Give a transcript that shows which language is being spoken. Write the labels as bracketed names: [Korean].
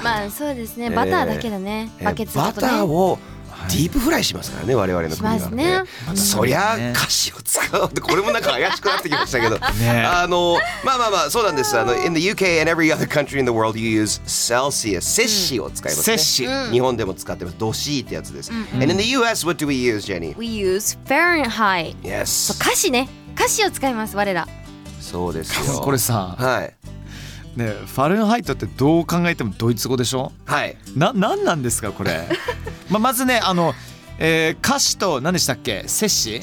[Japanese] まあそうですね。バターだけどね。バケツだとね。バターをディープフライしますからね、我々の国は、ね、しますね。そりゃ菓子を使うってこれもなんか怪しくなってきましたけど、あのまあまあまあそうなんです、あの [English] In the UK and every other country in the world you use Celsius、 [Japanese] 摂氏を使いますね、摂氏、日本でも使ってます、度 C ってやつです、 [English] And in the US what do we use, Jenny? We use Fahrenheit. Yes. [Japanese] そう、菓子ね、菓子を使います我ら。そうですよ、これさ、はい、ね、ファレンハイトってどう考えてもドイツ語でしょ、はい、なんなんですかこれ。まあ、まずね、あの、歌詞と何でしたっけ、摂氏、